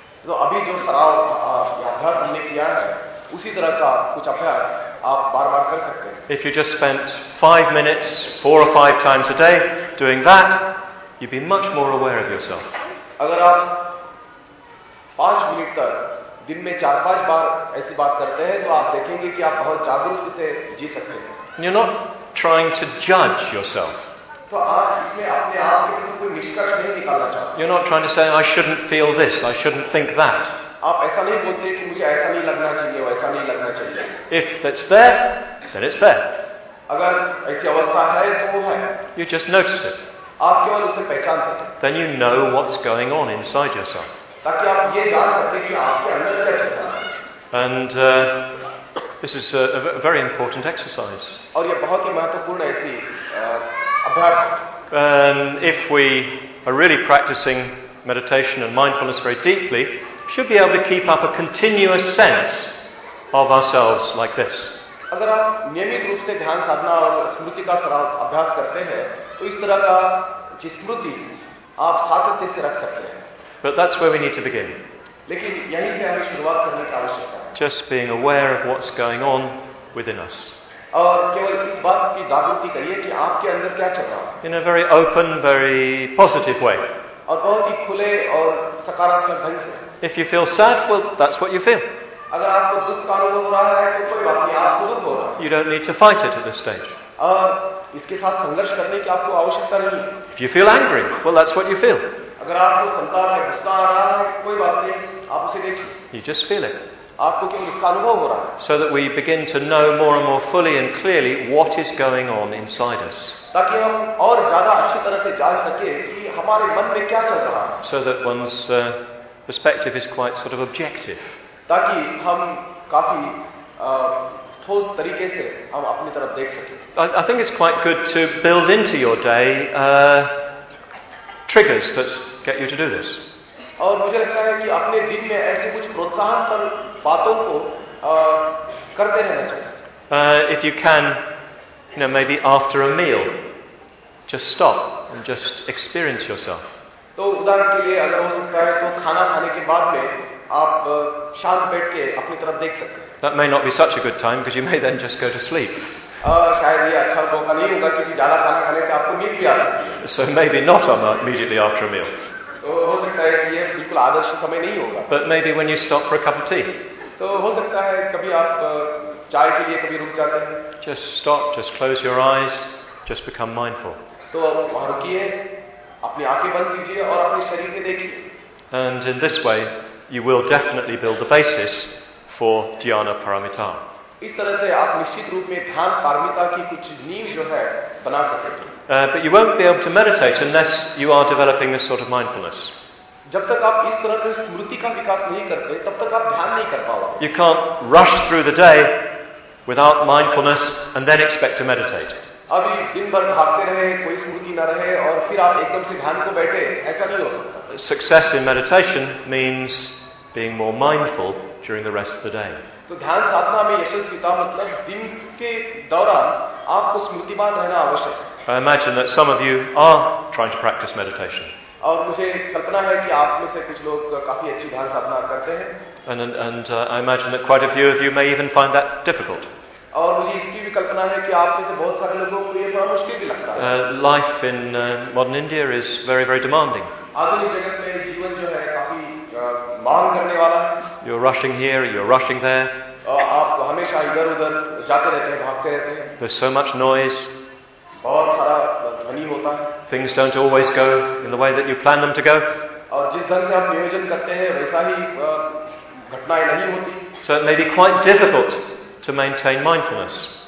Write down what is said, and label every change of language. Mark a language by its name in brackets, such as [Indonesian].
[Hindi] तो अभी जो सराव यादगार हमने किया है, उसी तरह का कुछ अभ्यास आप बार-बार कर सकते हैं. [English] If you just spent 5 minutes, 4 or 5 times a day doing that, you'd be much more aware of yourself. [Hindi] अगर आप 5 मिनट तक दिन में 4-5 बार ऐसी बात करते हैं, तो आप देखेंगे कि आप बहुत जागरूकता से जी सकते हैं. [English] You're not trying to judge yourself. [Hindi] तो आप इसमें अपने आप के लिए कोई निष्कर्ष नहीं निकालना चाहते. [English] You're not trying to say I shouldn't feel this, I shouldn't think that. [Hindi] आप ऐसा नहीं बोलते कि मुझे ऐसा नहीं लगना चाहिए, वैसा नहीं लगना चाहिए. [English] If that's there, then it's there. [Hindi] अगर ऐसी अवस्था है तो वो है. [English] You just notice it. [Hindi] आप केवल उसे पहचान सकते. [English] Then you know what's going on inside yourself. [Hindi] ताकि आप ये जान सकते कि आपके अंदर क्या चल रहा है. [English] And this is a very important exercise. [Hindi] और ये बहुत ही महत्वपूर्ण ऐसी अभ्यास. [English] If we are really practicing meditation and mindfulness very deeply, should be able to keep up a continuous sense of ourselves like this. [Hindi] अगर आप नियमित रूप से ध्यान साधना और स्मृति का सराव अभ्यास करते हैं, तो इस तरह का स्मृति आप सातत्य से रख सकते हैं. [English] But that's where we need to begin. [Hindi] लेकिन यहीं से हमें शुरुआत करने की आवश्यकता है. [English] Just being aware of what's going on within us. [Hindi] और केवल इस बात की जागृति करिए कि आपके अंदर क्या चल रहा है. [English] In a very open, very positive way. [Hindi] और बहुत ही खुले और सकारात्मक ढंग से. [English] If you feel sad, well, that's what you feel. [Hindi] अगर आपको दुख का अनुभव हो रहा है, तो कोई बात नहीं, आप दुख हो रहा है. [English] You don't need to fight it at this stage. [Hindi] इसके साथ संघर्ष करने की आपको आवश्यकता नहीं. [English] If you feel angry, well, that's what you feel. [Hindi] अगर आपको संताप है, गुस्सा आ रहा है, कोई बात नहीं, आप उसे देखिए. [English] You just feel it. [Hindi] आपको क्यों इसका अनुभव हो रहा है? [English] So that we begin to know more and more fully and clearly what is going on inside us. [Hindi] ताकि हम और ज्यादा अच्छी तरह से जान सके कि हमारे मन में क्या चल रहा है. [English] So that one's perspective is quite sort of objective. [Hindi] ताकि हम काफी ठोस तरीके से हम अपनी तरफ देख सके. [English] I think it's quite good to build into your day triggers that get you to do this. [Hindi] और मुझे लगता है कि अपने दिन में ऐसे कुछ प्रोत्साहन पर बातों को करते रहना चाहिए. [English] If you can, you know, maybe after a meal, just stop and just experience yourself. [Hindi] तो उदाहरण के लिए अगर हो सकता है तो खाना खाने के बाद में आप शांत बैठ के अपनी तरफ देख सकते. [English] That may not be such a good time because you may then just go to sleep. [Hindi] शायद ये अच्छा मौका नहीं होगा क्योंकि ज्यादा खाना खाने से आपको नींद भी आ जाती है. [English] So maybe not on immediately after a meal. [Hindi] तो हो सकता है ये बिल्कुल आदर्श समय नहीं होगा. [English] But maybe when you stop for a cup of tea. [Hindi] तो हो सकता है कभी आप चाय के लिए कभी रुक जाते हैं. [English] Just stop, just close your eyes, just become mindful. [Hindi] तो आप रुकिए, अपनी आंखें बंद कीजिए और अपने शरीर में देखिए. [English] And in this way, you will definitely build the basis for Dhyana Paramita. [Hindi] इस तरह से आप निश्चित रूप में ध्यान पारमिता की कुछ नींव जो है बना सकते हैं. [English] But you won't be able to meditate unless you are developing this sort of mindfulness. [Hindi] जब तक आप इस तरह के स्मृति का विकास नहीं करते, तब तक आप ध्यान नहीं कर पाओगे. [English] You can't rush through the day without mindfulness and then expect to meditate. [Hindi] अभी दिन भर भागते रहे कोई स्मृति न रहे और फिर आप एकदम से ध्यान को बैठे ऐसा नहीं हो सकता. [English] Success in meditation means being more mindful during the rest of the day. [Hindi] तो ध्यान साधना में यशस्विता मतलब दिन के दौरान आपको स्मृतिमान रहना आवश्यक है. [English] I imagine that some of you are trying to practice meditation. [Hindi] और मुझे कल्पना है कि आप में से कुछ लोग काफी अच्छी ध्यान साधना करते हैं. [English] And I imagine that quite a few of you may even find that difficult. [Hindi] और मुझे इसकी भी कल्पना है कि आप में से बहुत सारे लोगों को ये थोड़ा मुश्किल भी लगता है. [English] Life in modern India is very, very demanding. [Hindi] आधुनिक जगत में जीवन जो है काफी मांग करने वाला है. [English] You're rushing here, you're rushing there. [Hindi] आप हमेशा इधर उधर जाते रहते हैं, भागते रहते हैं. [English] There's so much noise. [Hindi] बहुत सारा ध्वनि होता है. [English] Things don't always go in the way that you plan them to go. [Hindi] और जिस ढंग से आप नियोजन करते हैं वैसा ही घटनाएं नहीं होती. [English] So it may be quite difficult to maintain mindfulness.